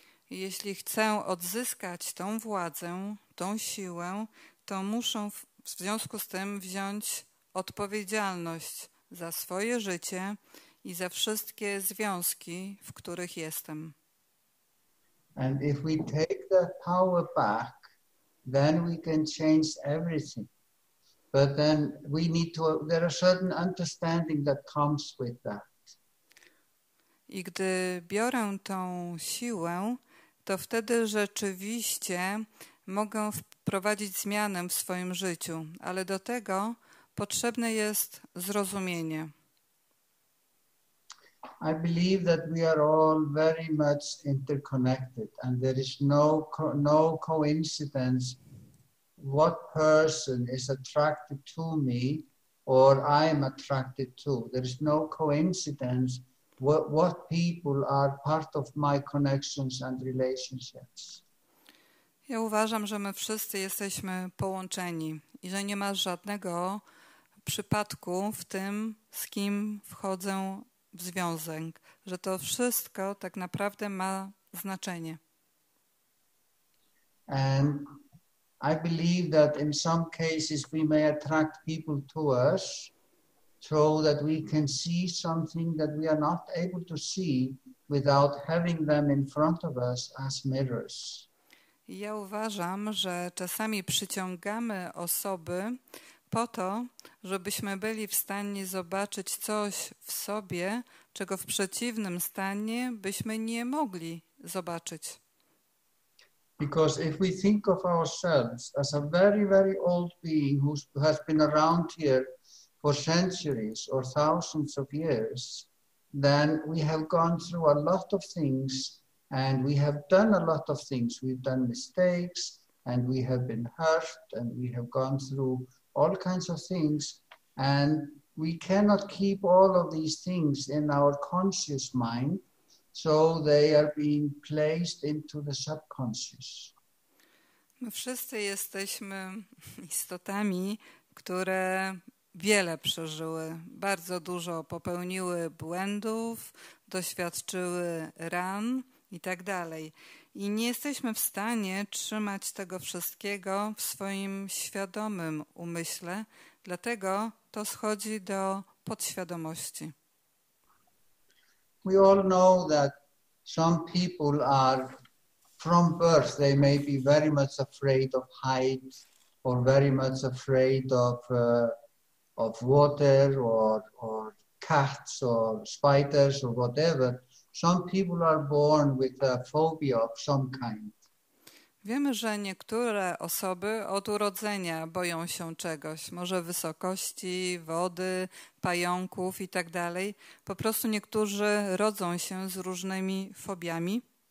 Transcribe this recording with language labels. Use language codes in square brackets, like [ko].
[pl] Jeśli chcę odzyskać tą władzę, tą siłę, to muszę w związku z tym wziąć odpowiedzialność za swoje życie i za wszystkie związki, w których jestem. [en] And if we take that power back, then we can change everything. But then we need to, there are certain understanding that comes with that. [pl] I gdy biorę tą siłę, to wtedy rzeczywiście mogę wprowadzić zmianę w swoim życiu, ale do tego potrzebne jest zrozumienie. [en] I believe that we are all very much interconnected and there is no coincidence what person is attracted to me or I am attracted to. There is no coincidence what people are part of my connections and relationships. [pl] Ja uważam, że my wszyscy jesteśmy połączeni i że nie ma żadnego przypadku w tym, z kim wchodzę w związek, że to wszystko tak naprawdę ma znaczenie. [en] And I believe that in some cases we may attract people to us so that we can see something that we are not able to see without having them in front of us as mirrors. [pl] Ja uważam, że czasami przyciągamy osoby po to, żebyśmy byli w stanie zobaczyć coś w sobie, czego w przeciwnym stanie byśmy nie mogli zobaczyć. [en] Because if we think of ourselves as a very, very old being who has been around here for centuries or thousands of years, then we have gone through a lot of things and we have done a lot of things. We've done mistakes and we have been hurt and we have gone through all kinds of things and we cannot keep all of these things in our conscious mind, so they are being placed into the subconscious. [pl] My wszyscy jesteśmy istotami, które wiele przeżyły, bardzo dużo popełniły błędów, doświadczyły ran i tak dalej. I nie jesteśmy w stanie trzymać tego wszystkiego w swoim świadomym umyśle, dlatego to schodzi do podświadomości. [en] We all know that some people are from birth, they may be very much afraid of heights or very much afraid of water or cats or spiders or whatever. Some people are born with a phobia of some kind. [pl] Wiemy, że niektóre osoby od urodzenia boją się czegoś, może wysokości, wody, pająków i tak dalej. Po prostu niektórzy rodzą się z różnymi fobiami.